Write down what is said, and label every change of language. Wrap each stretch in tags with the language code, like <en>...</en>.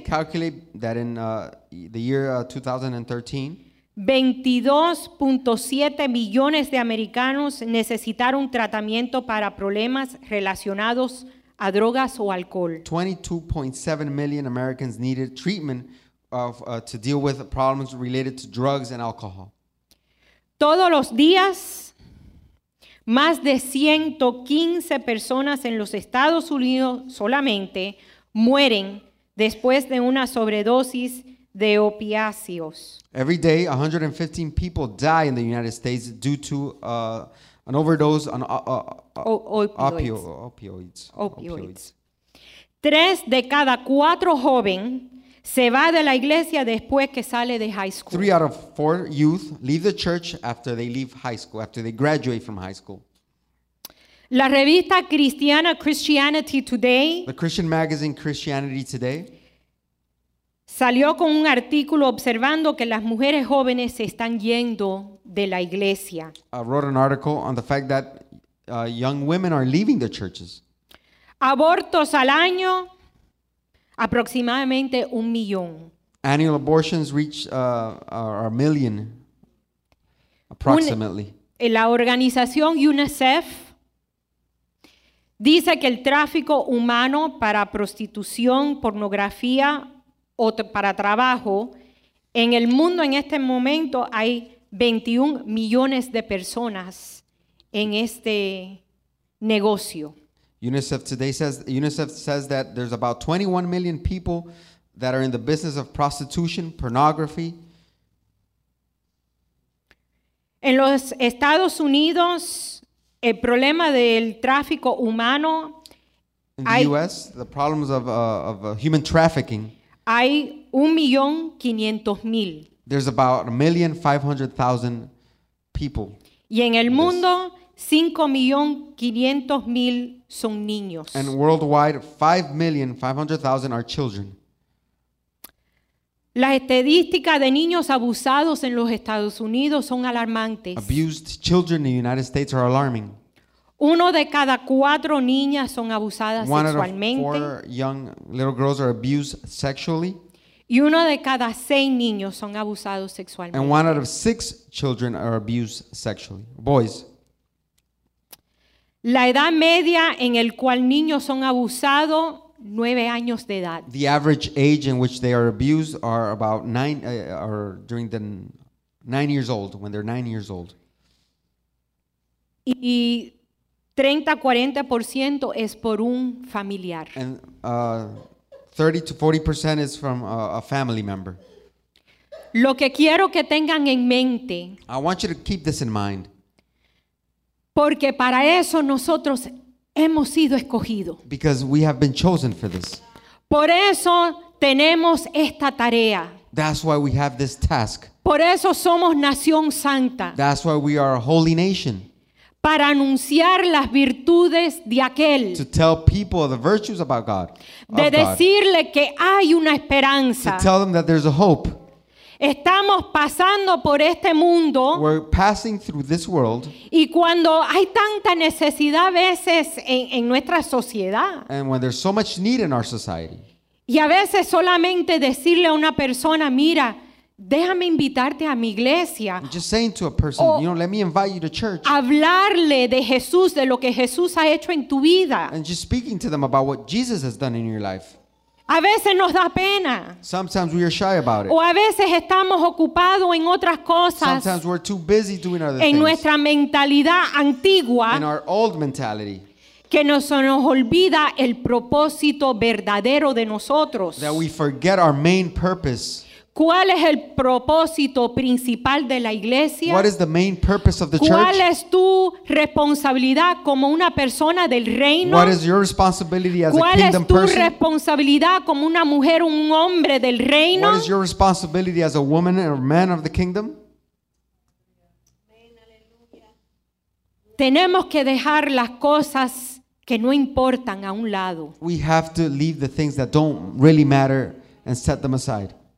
<en>They calculate that in the year 2013.</en> <es>22.7 millones de americanos necesitaron tratamiento para problemas relacionados a drogas o alcohol.</es> <en>22.7 million Americans needed treatment to deal with problems related to drugs and alcohol.</en> <es>Todos los días, más de 115 personas en los Estados Unidos solamente mueren después de una sobredosis de opiáceos.</es> <en>Every day, 115 people die in the United States due to An overdose on opioids. Opioids.</en> <es>Tres de cada cuatro joven se va de la iglesia después que sale de high school.</es> <en>3 out of 4 youth leave the church after they leave high school, after they graduate from high school.</en> <es>La revista cristiana Christianity Today.</es> <en>The Christian magazine Christianity Today.</en> <es>Salió con un artículo observando que las mujeres jóvenes se están yendo de la iglesia.</es> <en>Wrote an article on the fact that young women are leaving the churches.</en> <es>Abortos al año, aproximadamente 1 million.</es> <en>Annual abortions reach are a million, approximately.</en> <es>La organización UNICEF dice que el tráfico humano para prostitución, pornografía o para trabajo en el mundo en este momento hay 21 millones de personas en este negocio.</es> <en>UNICEF today says, UNICEF says that there's about 21 million people that are in the business of prostitution, pornography.</en> <es>En los Estados Unidos, el problema del tráfico humano.</es> <en>In the U.S., the problems of human trafficking.</en> <es>Hay 1,500,000.</es> <en>There's about 1,500,000 people.</en> <es>Y en el mundo, 5,500,000 son niños.</es> <en>And worldwide, 5,500,000 are children.</en> <es>Las estadísticas de niños abusados en los Estados Unidos son alarmantes.</es> <en>Abused children in the United States are alarming.</en> <es>Uno de cada cuatro niñas son abusadas sexualmente.</es> <en>One out of 4 young little girls are abused sexually.</en> <es>Y uno de cada 6 niños son abusados sexualmente.</es> <en>And 1 out of 6 children are abused sexually. Boys.</en> <es>La edad media en el cual niños son abusados, 9 años de edad.</es> <en>The average age in which they are abused are about 9, or during the 9 years old, when they're 9 years old.</en> <es>Y 30-40% es por un familiar.</es> <en>And 30-40% is from a family member.</en> <es>Lo que quiero que tengan en mente.</es> <en>I want you to keep this in mind.</en> <es>Porque para eso nosotros hemos sido escogidos.</es> <en>Because we have been chosen for this.</en> <es>Por eso tenemos esta tarea.</es> <en>That's why we have this task.</en> <es>Por eso somos nación santa.</es> <en>That's why we are a holy nation.</en> <es>Para anunciar las virtudes de aquel.</es> <en>To tell people the virtues about God.</en> <es>De decirle que hay una esperanza.</es> <en>To tell them that there's a hope.</en> <es>Estamos pasando por este mundo.</es> <en>We're passing through this world.</en> <es>Y cuando hay tanta necesidad a veces en nuestra sociedad.</es> <en>And when there's so much need in our society.</en> <es>Y a veces solamente decirle a una persona, mira, déjame invitarte a mi iglesia.</es> <en>I'm just saying to a person, you know, let me invite you to church.</en> <es>Hablarle de Jesús, de lo que Jesús ha hecho en tu vida.</es> <en>And just speaking to them about what Jesus has done in your life.</en> <es>A veces nos da pena.</es> <en>Sometimes we are shy about it.</en> <es>O a veces estamos ocupados en otras cosas.</es> <en>Sometimes we're too busy doing other</en> <es>en</es> <en>things.</en> <es>En nuestra mentalidad antigua.</es> <en>In our old mentality.</en> <es>Que nos olvida el propósito verdadero de nosotros.</es> <en>That we forget our main purpose.</en> <es>¿Cuál es el propósito principal de la iglesia?</es> <en>What is the main purpose of the</en> <es>¿Cuál</es> <en>church?</en> <es>Es tu responsabilidad como una persona del reino?</es> <en>What is your responsibility as</en> <es>¿Cuál</es> <en>a kingdom</en> <es>es tu</es> <en>person?</en> <es>Responsabilidad como una mujer o un hombre del reino?</es> <en>What is your responsibility as a woman or man of the kingdom?</en> <es>Tenemos que dejar las cosas que no importan a un lado.</es> <en>We have to leave the things that don't really matter and set them aside.</en>